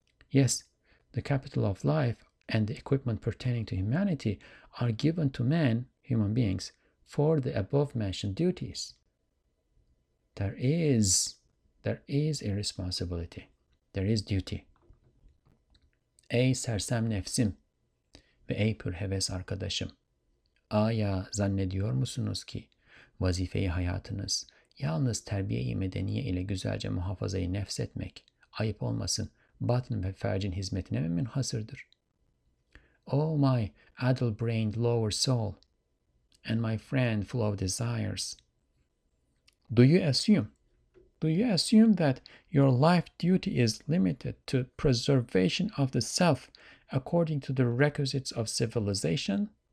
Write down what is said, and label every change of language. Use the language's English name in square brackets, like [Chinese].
[English] Yes, the capital of life and the equipment pertaining to humanity are given to men, human beings, for the above mentioned duties. There is a responsibility. There is duty. [Turkish] Ey sersem nefsim ve ey pür heves arkadaşım. Aya zannediyor musunuz ki vazifeyi hayatınız yalnız terbiye-i medeniye ile güzelce muhafazayı nefs etmek ayıp olmasın batın ve fercin hizmetine mi münhasırdır? [English] Oh my addle-brained lower soul and my friend full of desires. Do you assume that your life duty is limited to preservation of the self according to the requisites of civilization?